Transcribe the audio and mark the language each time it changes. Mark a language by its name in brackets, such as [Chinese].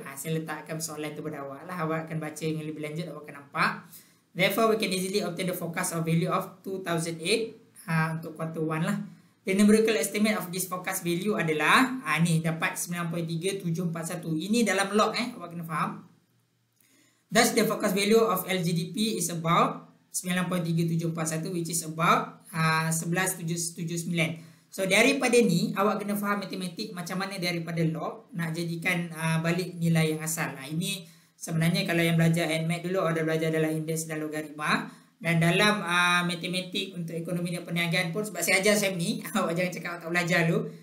[Malay] Saya letakkan soalan tu pada awak lah. Awak akan baca yang lebih lanjut, awak akan nampak. [English] Therefore, we can easily obtain the forecast of value of 2008 [Malay] untuk quarter 1 lah. [English] The numerical estimate of this forecast value [Malay] adalah ni dapat [English] 9.3741. [Malay] Ini dalam log awak kena faham. [English] Thus, the forecast value of LGDP is about 9.3741, which is about 11.779. [Malay] So, daripada ni, awak kena faham matematik macam mana daripada log nak jadikan balik nilai yang asal. Nah, ini sebenarnya kalau yang belajar AdMath dulu, ada belajar dalam indeks dan logaritma. Dan dalam matematik untuk ekonomi dan perniagaan pun, sebab saya ajar SEM ni, awak jangan cakap awak tak belajar dulu.